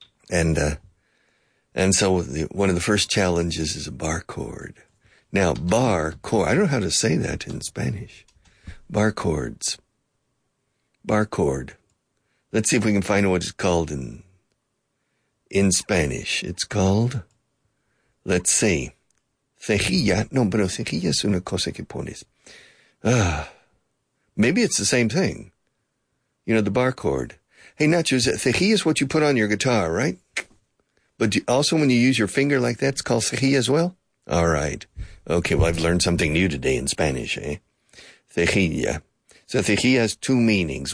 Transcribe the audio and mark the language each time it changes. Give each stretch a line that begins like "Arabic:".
English: And so one of the first challenges is a bar chord. Now, bar chord, I don't know how to say that in Spanish. Bar chords. Bar chord. Let's see if we can find what it's called in Spanish. It's called, let's see, cejilla.
Spanish: No, pero cejilla es una cosa que pones.
English: Maybe it's the same thing. You know, the bar chord. Hey, Nacho, cejilla is what you put on your guitar, right? But also when you use your finger like that, it's called cejilla as well? All right. Okay, well, I've learned something new today in Spanish, eh? Cejilla. So cejilla has two meanings.